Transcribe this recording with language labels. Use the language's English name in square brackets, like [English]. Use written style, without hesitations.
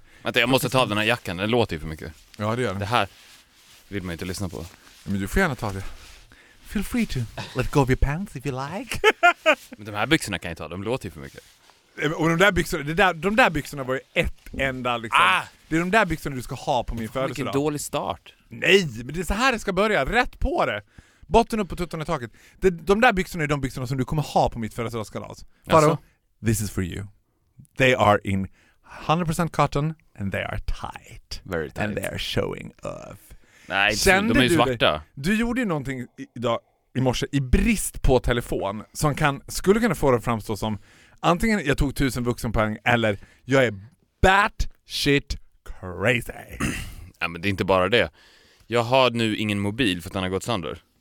[Swedish] Vänta, jag måste ta av den här jackan. Den låter ju för mycket. Ja, det gör den. Det här vill man inte lyssna på. Men du får gärna ta det. [English] Feel free to let go of your pants if you like. [Swedish] Men de här byxorna kan jag ta, de låter ju för mycket. Och de där byxorna, de där byxorna var ju ett enda liksom. Ah! Det är de där byxorna du ska ha på min födelsedag. Vilken dålig start. Nej, men det är så här det ska börja, rätt på det. Botten upp och tuttan i taket. De där byxorna är de byxorna som du kommer ha på mitt födelsedagskalas. Faro, [English] this is for you. They are in 100% cotton and they are tight. Very tight. And they are showing off. [Swedish] Nej, kände de är ju svarta. Du gjorde ju någonting idag i morse i brist på telefon som skulle kunna få det att framstå som antingen jag tog 1000 vuxenpoäng eller jag är [English] bat shit crazy. [Swedish] Nej, ja, men det är inte bara det. Jag har nu ingen mobil för att den har gått sönder.